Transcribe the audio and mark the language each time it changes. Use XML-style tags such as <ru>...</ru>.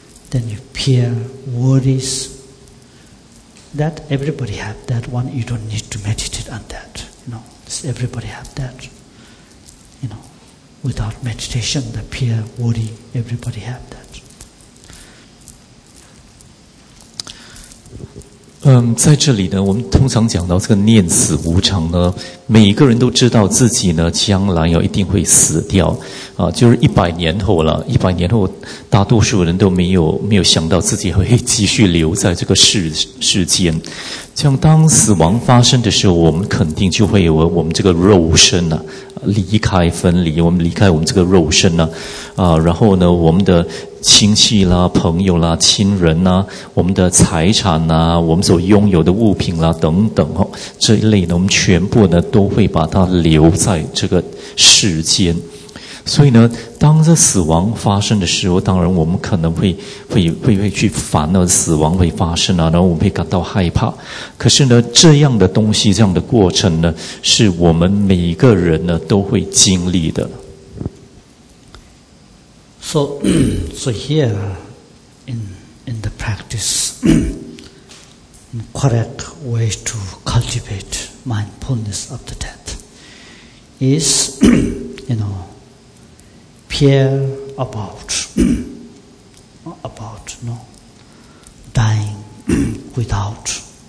<en>Then you fear, worries, that everybody have that one, you don't need to meditate on that, you know, everybody have that, you know, without meditation, the fear, worry, everybody have that.</en> <zh>在这里呢，我们通常讲到这个念死无常呢，每一个人都知道自己呢将来要一定会死掉，就是一百年后，大多数人都没有想到自己会继续留在这个世间。像当死亡发生的时候，我们肯定就会有我们这个肉身呢、离开分离，我们离开我们这个肉身呢、然后呢，我们的亲戚啦、朋友啦、亲人啦、我们的财产啦、我们所拥有的物品啦等等哦，这一类呢，我们全部呢都会把它留在这个世间。所以呢，当这死亡发生的时候，当然我们可能会去烦恼死亡会发生啊，然后我们会感到害怕。可是呢，这样的东西、这样的过程呢，是我们每个人呢都会经历的。</zh> <en>So here in the practice, correct way to cultivate mindfulness of the death is, you know, fear about, about, you know, dying without</en>